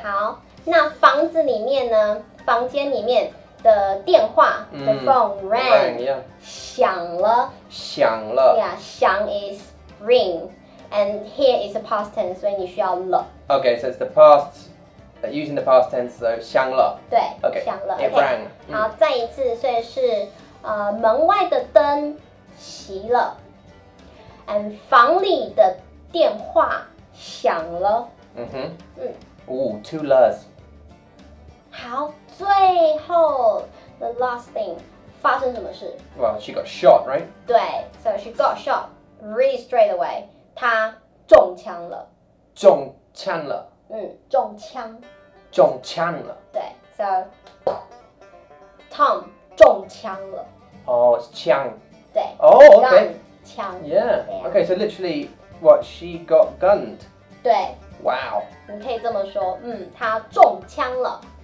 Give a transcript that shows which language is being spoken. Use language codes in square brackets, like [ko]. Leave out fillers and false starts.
[zh] 好, 那房子里面呢, 房间里面, the 电话, [en] the phone rang, yeah. 响了, yeah, 响 is ring, and here is the past tense when you [zh] 需要了. [en] Okay, so it's the past, using the past tense, so 响了. [zh] 对, [en] okay. [zh] 响了, [en] it okay. rang. [zh] 好, 再一次, 所以是, 门外的灯熄了, and 房里的电话响了. [en] Mm-hmm. Mm. Ooh, two les. [zh] 好.最后, [en] the last thing, [zh] 发生什么事? [en] Well, she got shot, right? 对, so she got shot really straight away. [zh] 她中枪了。中枪了。对, so, Tom, 中枪了。 [en] Oh, it's 枪. [zh] 对, [en] oh, okay. Gun, 枪. Yeah, okay, so literally, what, she got gunned? [zh] 对. [en] Wow. [zh] 你可以这么说, 她中枪了。